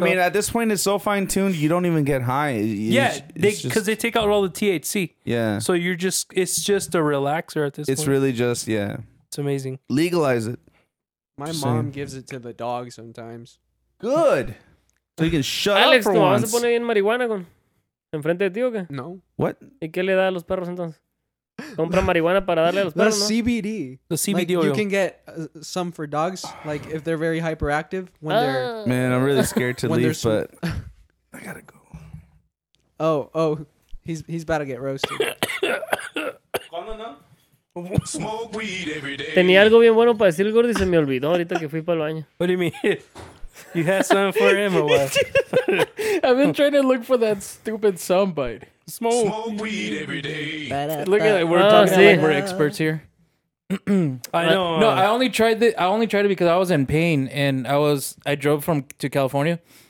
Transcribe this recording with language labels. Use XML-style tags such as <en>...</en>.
<en>I mean, at this point, it's so fine-tuned, you don't even get high. Because they take out all the THC. Yeah. So you're just, it's just a relaxer at this point. It's really just, it's amazing. Legalize it. My mom gives it to the dog sometimes. Good. So you can shut Alex, up for once.</en> <es>Alex, ¿tú vas a poner bien marihuana con enfrente de ti o qué? No.</es> <en>What?</en> <es>¿Y qué le da a los perros entonces? Compra marihuana para darle a los perros, ¿no?</es> <en>CBD. The CBD oil. You can get some for dogs, like if they're very hyperactive when they're... Man, I'm really scared to leave, but I gotta go. Oh, he's about to get roasted.</en> <es>¿Cuándo no?</es> <en>Smoke weed every day.</en> <es>Tenía algo bien bueno para decir el gordo y se me olvidó ahorita que fui para el baño.</es> <en>What do you mean? You have something for him or what? I've been trying to look for that stupid soundbite. Smoke weed every day. Look at it. We're talking like we're experts here. I know. No, I only tried it because I was in pain and I drove to California.</en>